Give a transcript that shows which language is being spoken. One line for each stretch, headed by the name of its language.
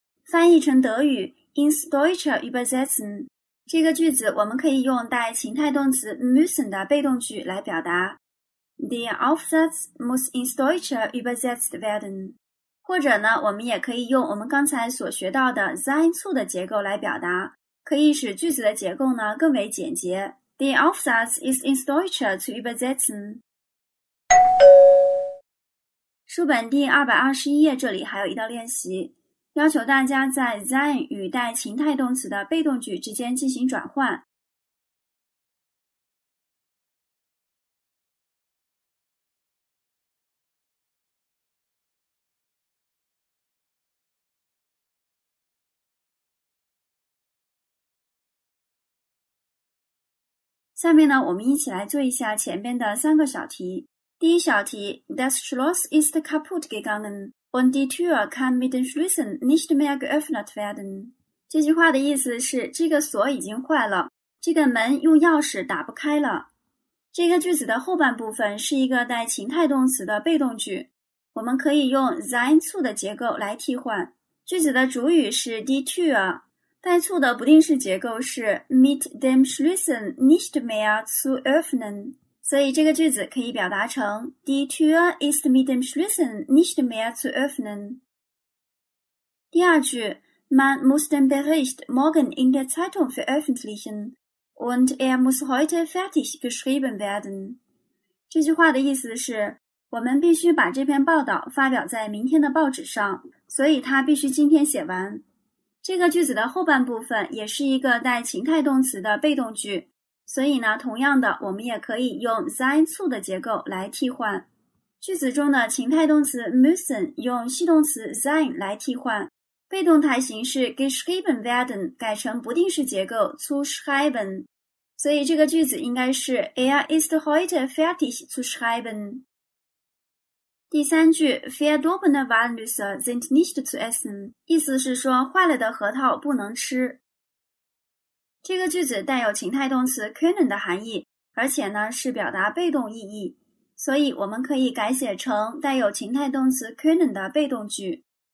Chinese: 翻译成德语
German: ins Deutsche übersetzen，
Chinese: 这个句子我们可以用带情态动词 müssen 的被动句来表达。
German: Der Aufsatz muss ins Deutsche übersetzt werden。
Chinese: 或者呢，我们也可以用我们刚才所学到的 sein 促的结构来表达，可以使句子的结构呢更为简洁。
German: Der Aufsatz ist ins Deutsche zu übersetzen。
Chinese: 书本第221页这里还有一道练习。要求大家在 sein 与带情态动词的被动句之间进行转换。下面呢，我们一起来做一下前边的三个小题。第一小题
German: ,Das Schloss ist kaputt gegangen。 Und die Tür kann mit den Schlüssen nicht mehr geöffnet werden.
Chinese: 这句话的意思是这个锁已经坏了，这个门用钥匙打不开了。这个句子的后半部分是一个带情态动词的被动句，我们可以用 sein zu 的结构来替换。句子的主语是 die Tür， 带 zu 的不定式结构是
German: mit dem Schlüssel nicht mehr zu öffnen。
Chinese: 所以这个句子可以表达成
German: Die Tür ist mit dem Schlüssel nicht mehr zu öffnen。
Chinese: 第二句
German: ，Man muss den Bericht morgen in der Zeitung veröffentlichen und er muss heute fertig geschrieben werden。
Chinese: 这句话的意思是，我们必须把这篇报道发表在明天的报纸上，所以它必须今天写完。这个句子的后半部分也是一个带情态动词的被动句。所以呢，同样的，我们也可以用 sein zu 的结构来替换。句子中的情态动词 müssen 用系动词 sein 来替换，被动态形式
German: geschrieben werden
Chinese: 改成不定式结构
German: zu schreiben。
Chinese: 所以这个句子应该是
German: er ist heute fertig zu schreiben。
Chinese: 第三句
German: verdorbene Walnüsse sind nicht zu essen，
Chinese: 意思是说坏了的核桃不能吃。这个句子带有情态动词 können 的含义，而且呢是表达被动意义，所以我们可以改写成带有情态动词 können 的被动句。